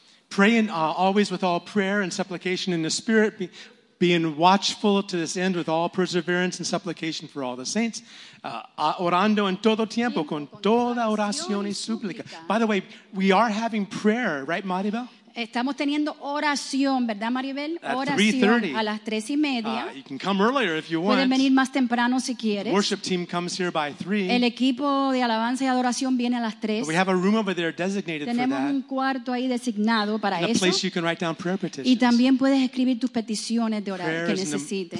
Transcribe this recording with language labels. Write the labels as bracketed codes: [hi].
[en] Pray in, always with all prayer and supplication in the Spirit, being watchful to this end with all perseverance and supplication for all the saints. [es] Orando en todo tiempo, con toda oración y súplica. [en] By the way, we are having prayer, right, Maribel? [es] Estamos teniendo oración, ¿verdad, Maribel? Oración [en] 3:30. [es] A las 3:30. [en] You can come earlier if you want. [es] Pueden venir más temprano si quieres. [en] Worship team comes here by 3. [es] El equipo de alabanza y adoración viene a las 3. [en] But we have a room over there designated [es] tenemos Tenemos un cuarto ahí designado para [en] and [es] eso. [en] A place you can write down prayer petitions. [es] Y también puedes escribir tus peticiones de oración que necesites.